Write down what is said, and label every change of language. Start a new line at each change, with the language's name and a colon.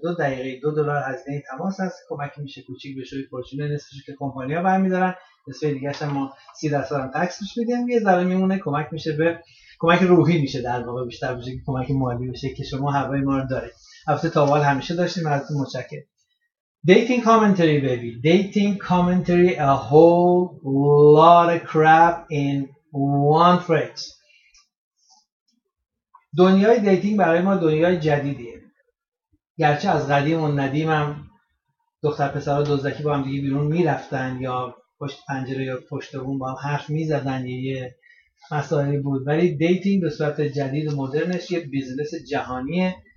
Persian: دقیقه $2 از این تماس هست، کمک میشه کوچیک به شوی پرچونه، نصفش که کمپانی ها برمیدارن، نصف دیگه هم ما 30% هم تکسش میدیم، یه ذره میمونه، کمک میشه به کمک روحی میشه در واقع بیشتر بشه که کمک مالی بشه که شما هوای ما رو دارید. هفته تاوال همیشه داشتیم از تو مچکه.
English: Dating commentary baby. Dating commentary. A whole lot of crap in one phrase.
Persian: دنیای دیتینگ برای ما دنیای جدیدیه. گرچه از قدیم و ندیم هم دختر پسرها دوزدکی با هم دیگه بیرون میرفتن یا پشت پنجره یا پشت بوم با هم حرف میزدن یه مسائلی بود، ولی دیتینگ به صورت جدید و مدرنش یه بیزنس جهانیه.